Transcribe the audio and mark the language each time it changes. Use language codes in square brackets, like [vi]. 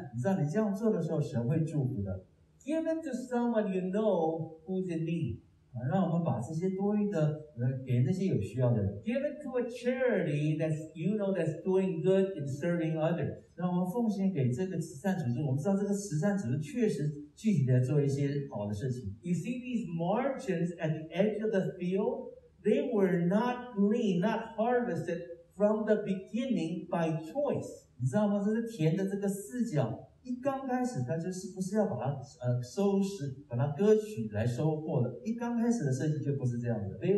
[zh] 让我们用一个甘心乐意的心来试试看，你知道你这样做的时候，神会祝福的。 [en] Give it to someone you know who's in need. [zh] 让我们把这些多余的给那些有需要的人。 [en] Give it to a charity that you know that's doing good in serving others. [zh] 让我们奉献给这个慈善组织，我们知道这个慈善组织确实具体的做一些好的事情。 [en] You see these margins at the edge of the field? They were not gleaned, not harvested from the beginning by choice. [zh] 你知道吗？这是田的这个四角。一刚开始，他就是不是要把它收拾，把它割取来收获的。一刚开始的设计就不是这样的。 [en] They